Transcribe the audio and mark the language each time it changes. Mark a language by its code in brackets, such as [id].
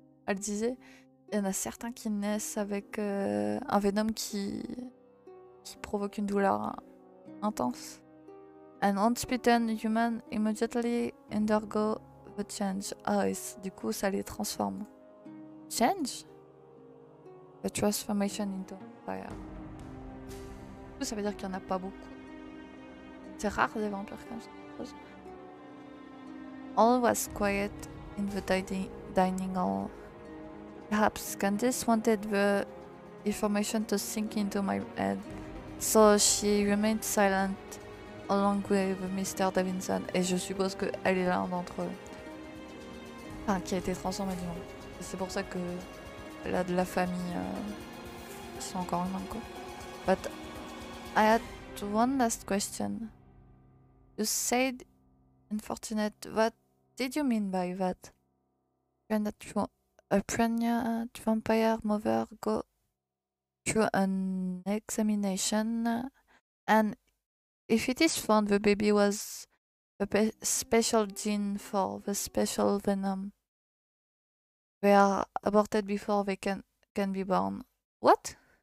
[fr] Elle disait, il y en a certains qui naissent avec un venom qui provoque une douleur intense. [en] And once bitten, human immediately undergo the change. [fr] Ah, et du coup, ça les transforme. Change? [en] The transformation into fire. [fr] Du coup, ça veut dire qu'il n'y en a pas beaucoup. C'est rare des vampires comme ça. [en] All was quiet in the dining hall. Perhaps Candice wanted the information to sink into my head, So she remained silent along with Mr. [fr] Davidson, et je suppose qu'elle est l'un d'entre eux. Enfin, qui a été transformé du monde. C'est pour ça que là de la famille, ils sont encore humains, quoi. [en] But I had one last question. You said unfortunate, what did you mean by that? A pregnant vampire mother go through an examination, and if it is found the baby was a special gene for the special venom, they are aborted before they can be born. What?